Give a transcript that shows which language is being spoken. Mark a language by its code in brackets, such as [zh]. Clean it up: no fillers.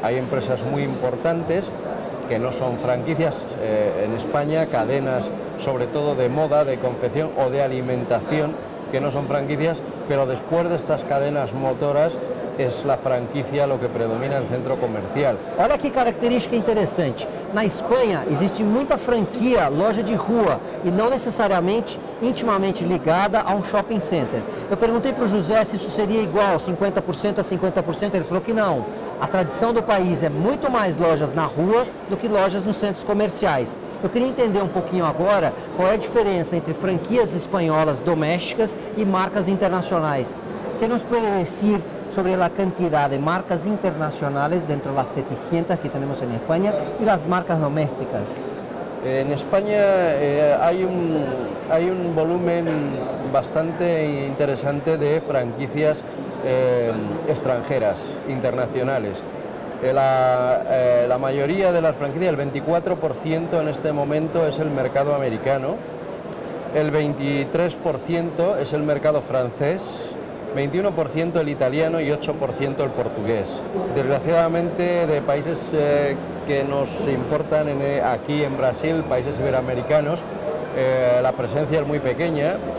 [es] Hay empresas muy importantes que no son franquicias en España, cadenas sobre todo de moda, de confección o de alimentación que no son franquicias, pero después de estas cadenas motoras es la franquicia lo que predomina en el centro comercial. [pt] Olha que característica interessante. Na Espanha existe muita franquia, loja de rua, e não necessariamente intimamente ligada a um shopping center. Eu perguntei para o José se isso seria igual, 50% a 50%, ele falou que não. A tradição do país é muito mais lojas na rua do que lojas nos centros comerciais. Eu queria entender um pouquinho agora qual é a diferença entre franquias espanholas domésticas e marcas internacionais. Queremos conhecer sobre a quantidade de marcas internacionais dentro das 700 que temos em Espanha e as marcas domésticas. Em Espanha há um volume bastante interessante de [es] franquicias extranjeras, internacionales. La mayoría de las franquicias, el 24% en este momento es el mercado americano, el 23% es el mercado francés, 21% el italiano y 8% el portugués. Desgraciadamente de países que nos importan aquí en Brasil, países iberoamericanos, la presencia es muy pequeña.